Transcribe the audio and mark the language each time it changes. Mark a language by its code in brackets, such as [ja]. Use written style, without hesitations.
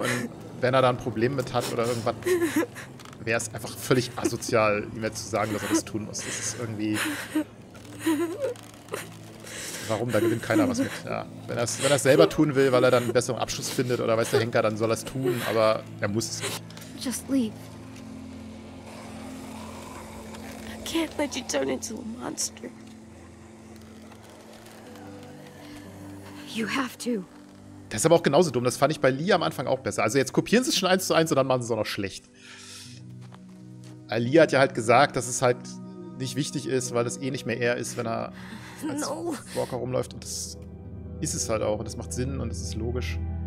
[de] Und wenn er da ein Problem mit hat oder irgendwas, wäre es einfach völlig asozial, ihm jetzt zu sagen, dass er das tun muss. Das ist irgendwie. Warum? Da gewinnt keiner was mit. Ja. Wenn er es selber tun will, weil er dann einen besseren Abschluss findet oder weiß der Henker, dann soll er es tun, aber er muss es nicht. [en] Just leave. I can't let you turn into a monster. You have to. [de] Das ist aber auch genauso dumm. Das fand ich bei Lee am Anfang auch besser. Also jetzt kopieren sie es schon 1:1 und dann machen sie es auch noch schlecht. Lee hat ja halt gesagt, dass es halt nicht wichtig ist, weil es eh nicht mehr er ist, wenn er als Walker rumläuft. Und das ist es halt auch. Und das macht Sinn und das ist logisch.